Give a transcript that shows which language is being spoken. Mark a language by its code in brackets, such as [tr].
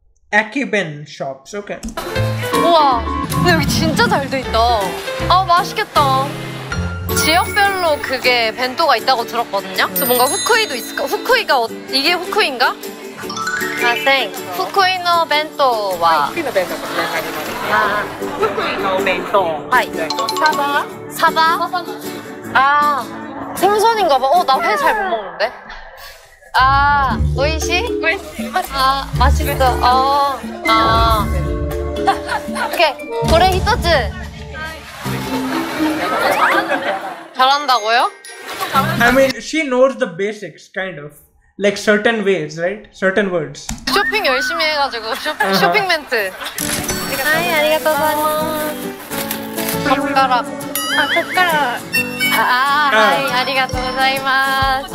[en] 에키벤 shops, okay. [ko] 우와, 근데 여기 진짜 잘돼 있다. 아, 맛있겠다. 지역별로 그게 벤토가 있다고 들었거든요. 그래서 뭔가 후쿠이도 있을까? 이게 후쿠이인가? 아생 [ja] 후쿠이 노 벤토와 후쿠이 노 벤토. 하이. [ko] 사바. 사바. 아, 생선인가 봐. 나 회 잘 못 먹는데. 아, [ja] 오이시? [ko] 아, 맛있어. 아, 아. 오케이. [ja] 고래 히토츠. [ko] 잘한다고요? [en] I mean, she knows the basics, kind of. Like certain ways, right? Certain words. [ko] 쇼핑 열심히 해가지고 쇼핑 멘트. [ja] 아이, 아리가토사이마스. [ko] 젓가락. 아, 젓가락. [ja] 아, 아이, 아리가토사이마스.